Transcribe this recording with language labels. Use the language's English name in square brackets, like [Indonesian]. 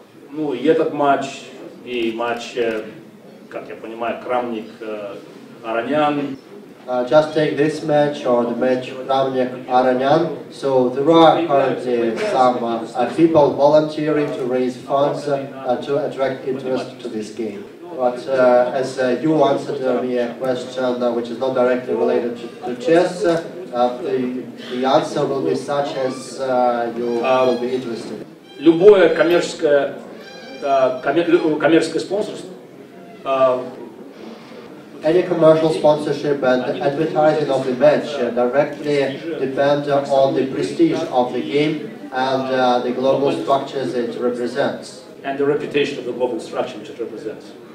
[Russian] Ну и этот матч, и матч, как я понимаю, Крамник, Аронян. [English] Just take this match or the match Kramnik-Aronyan. So there are currently some people volunteering to raise funds to attract interest to this game. But as you answered me a question which is not directly related to chess, the answer will be such as you will be interested. [Russian] Любое коммерческое спонсорство. [English] Any commercial sponsorship and advertising of the match directly depend on the prestige of the game and the global structures it represents. And the reputation of the global structure which it represents.